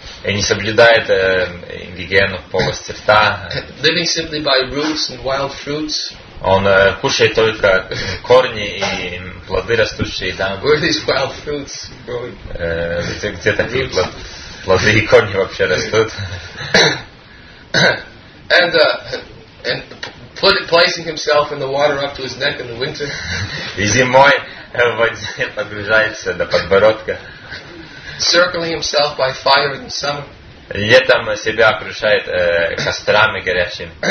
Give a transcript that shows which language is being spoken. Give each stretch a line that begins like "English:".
Russian: И не соблюдает гигиену в полости рта.
English: Living simply by roots and wild fruits.
Russian: Он кушает только корни и плоды растущие там.
English: Where these wild fruits growing?
Russian: Где такие плоды и корни вообще растут?
English: And placing himself in the water up to his neck in the winter.
Russian: И зимой в воде погружается до подбородка.
English: Circling himself by fire in the summer.
Russian: Летом себя окружает кострами горячими.